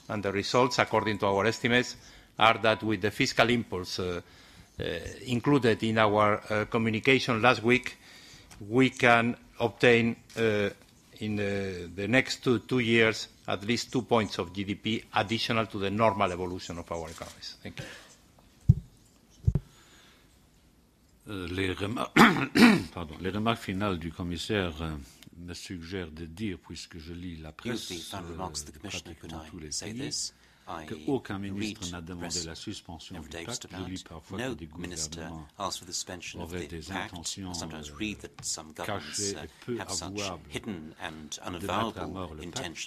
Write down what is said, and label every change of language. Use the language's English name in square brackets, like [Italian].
[English] And the results, according to our estimates, are that with the fiscal impulse included in our communication last week, we can obtain in the next two years, at least 2 points of GDP additional to the normal evolution of our economies. Thank you. [French] Les remarques finales du commissaire me suggèrent de dire, puisque je lis la presse, [English] the remarks the commissioner could I say this, [French] qu'aucun ministre n'a demandé la suspension du pacte. Je lis parfois que des gouvernements auraient des intentions cachées et peu avouables de mettre à mort le pacte.